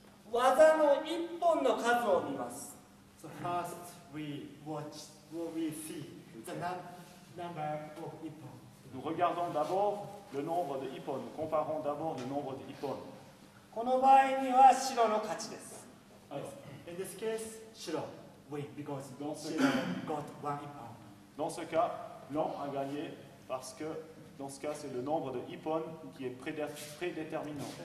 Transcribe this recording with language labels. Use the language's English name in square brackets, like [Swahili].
[Japanese] 技の一本の数を見ます。 [English] So first we watch what we see, the number of 一本. [French] Nous regardons d'abord le nombre de 一本, nous comparons d'abord le nombre de 一本. [Japanese] この場合には白の勝ちです。 [English] In this case, Shiro win because Shiro got one ippon. [French] Dans ce cas, Blanc a gagné parce que dans ce cas, c'est le nombre de ippon qui est prédéterminant.